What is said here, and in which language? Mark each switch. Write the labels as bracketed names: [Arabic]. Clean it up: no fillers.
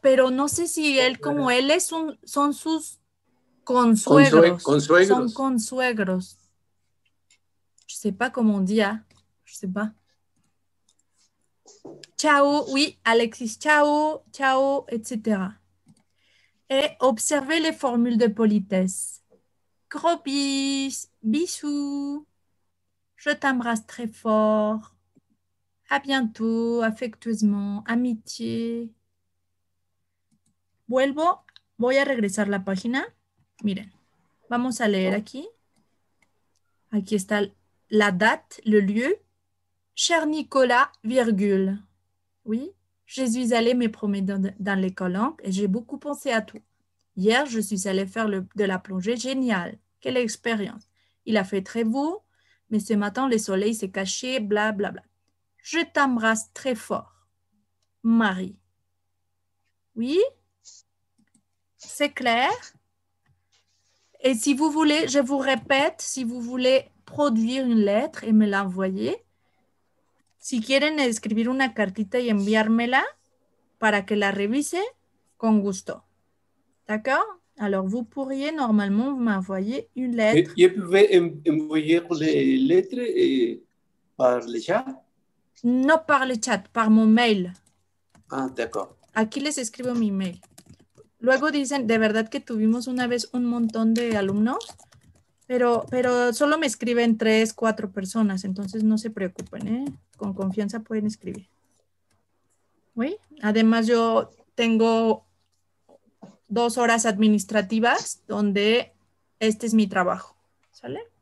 [Spanish] pero no sé si él, como él, es un, son sus consuegros. Son consuegros. [French] Je sais pas comment on dit, ah. Je sais pas. Ciao, oui, Alexis, ciao, ciao, etc. Et observez les formules de politesse. Gros bis, bisous, je t'embrasse très fort. À bientôt, affectueusement, amitié. [Spanish] Vuelvo, voy a regresar la página. Miren, vamos a leer aquí. Aquí está [French] la date, le lieu. Cher Nicolas, virgule. Oui, je suis allée me promener dans les colonques et j'ai beaucoup pensé à tout. Hier, je suis allée faire de la plongée. Génial, quelle expérience. Il a fait très beau, mais ce matin, le soleil s'est caché, bla bla bla. Je t'embrasse très fort, Marie. Oui? C'est clair? Et si vous voulez, je vous répète, si vous voulez produire une lettre et me l'envoyer, [Spanish] si quieren escribir una cartita y enviármela para que la revise, con gusto. [French] D'accord? Alors, vous pourriez normalement m'envoyer une lettre. Je pouvais envoyer les lettres et par le chat? Non, par le chat, par mon mail. Ah, d'accord. [Spanish] Aquí les escribo mi mail. Luego dicen, de verdad que tuvimos una vez un montón de alumnos, pero solo me escriben 3-4 personas, entonces no se preocupen, ¿eh? Con confianza pueden escribir. ¿Oui? Además, yo tengo 2 horas administrativas donde este es mi trabajo, ¿sale?